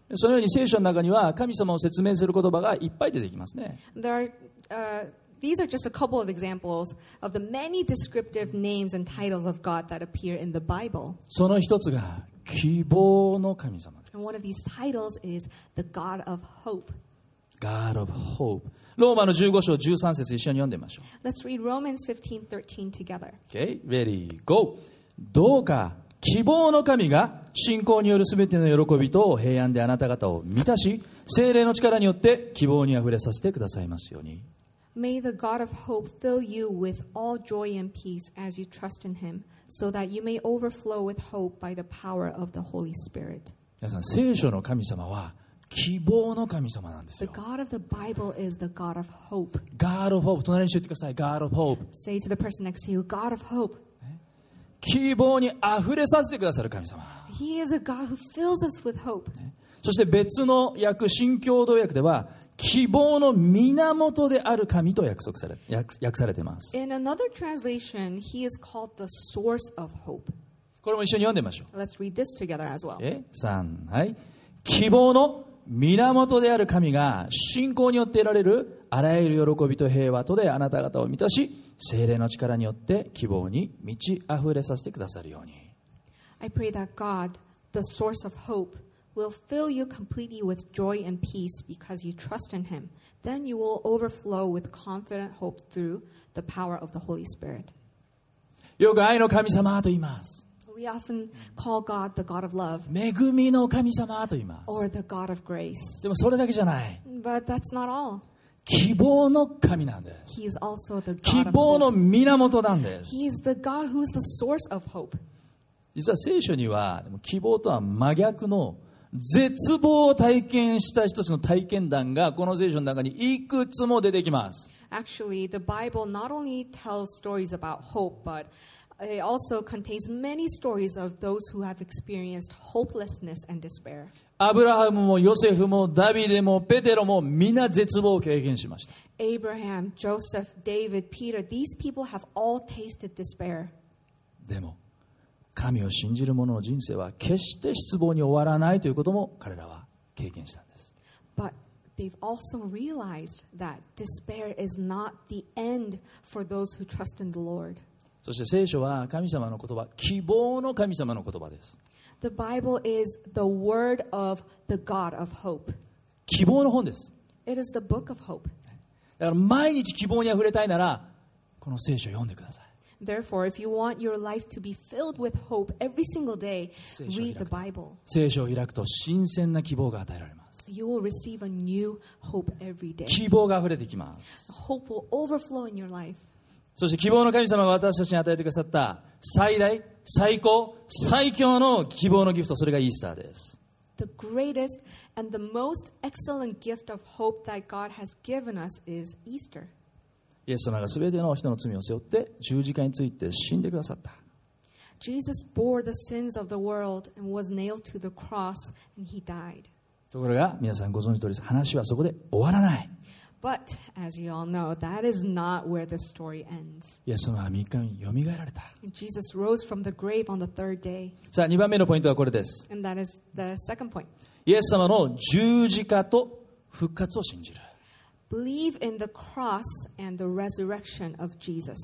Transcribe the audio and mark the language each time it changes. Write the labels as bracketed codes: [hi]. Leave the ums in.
[ja] そのように聖書の中には神様を説明する言葉がいっぱい出てきますね。 [en] There are, uh, these are just a couple of examples of the many descriptive names and titles of God that appear in the Bible. [ja] その一つが希望の神様です。 [en] And one of these titles is the God of Hope. God of hope. [ja] ローマの15章13節一緒に読んでみましょう。 [en] Let's read Romans 15:13 together.Okay, ready, go! [ja] どうか希望の神が信仰によるすべての喜びと平安であなた方を満たし、精霊の力によって希望にあふれさせてくださいますように。 [en] May the God of hope fill you with all joy and peace as you trust in him, so that you may overflow with hope by the power of the Holy Spirit. [ja] 皆さん、聖書の神様は、希望の神様なんですよ。 [en] God of the Bible is the God of hope.God of hope. [ja] 隣に言ってください。 [en] God of hope.Say to the person next to you, God of hope. [ja] 希望にあふれさせてくださる神様。 [en] He is a God who fills us with hope. [ja] そして別の訳、新共同訳では、希望の源である神と約束され訳,訳されています。 [en] In another translation, he is called the source of hope. [ja] これも一緒に読んでみましょう。 [en] Let's read this together as well. え [ja] ?3、はい。希望の源。源である神が信仰によって得られるあらゆる喜びと平和とであなた方を満たし精霊の力によって希望に満ちあふれさせてくださるように。 [en] I pray that God, the source of hope, will fill you completely with joy and peace because you trust in Him. Then you will overflow with confident hope through the power of the Holy Spirit. [ja] よく愛の神様と言います。 [en] We often call God the God of love. [ja] 恵みの神様と言います。 [en] Or the God of grace. [ja] でもそれだけじゃない。 [en] But that's not all. [ja] 希望の神なんです。 [en] He is also the [ja] God 希望の源なんです。 [en] He is the God who is the source of hope. [ja] 実は聖書には希望とは真逆の絶望を体験した人たちの体験談がこの聖書の中にいくつも出てきます。 [en] Actually, the Bible not only tells stories about hope, but It also contains many stories of those who have experienced hopelessness and despair. [ja] アブラハムもヨセフもダビデもペテロもみんな絶望を経験しました。 [en] アブラハム、ジョセフ、ダビデ、ペテロ、these people have all tasted despair. [ja] でも、神を信じる者の人生は決して失望に終わらないということも彼らは経験したんです。 [en] But they've also realized that despair is not the end for those who trust in the Lord. [ja] そして聖書は神様の言葉、希望の神様の言葉です。 [en] The Bible is the word of the God of hope. [ja] 希望の本です。 [en] It is the book of hope. [ja] だから毎日希望にあふれたいなら、この聖書を読んでください。 [en] Therefore, if you want your life to be filled with hope every single day, read the Bible. [ja] 聖書を開くと新鮮な希望が与えられます。 [en] You will receive a new hope every day. [ja] 希望があふれてきます。 [en] Hope will overflow in your life. [ja] そして希望の神様が私たちに与えてくださった最大、最高、最強の希望のギフト、それがイースターです。 [en] The greatest and the most excellent gift of hope that God has given us is Easter. [ja] イエス様がすべての人の罪を背負って十字架について死んでくださった。 [en] Jesus bore the sins of the world and was nailed to the cross and he died. [ja] ところが皆さんご存知通りです。話はそこで終わらない。 [en] But, as you all know, that is not where the story ends. [ja] イエス様は3日によられた。 [en] Jesus rose from the grave on the third day. [ja] さあ、2番目のポイントはこれです。 [en] And that is the second point. [ja] イエス様の十字架と復活を信じる。 [en] Believe in the cross and the resurrection of Jesus.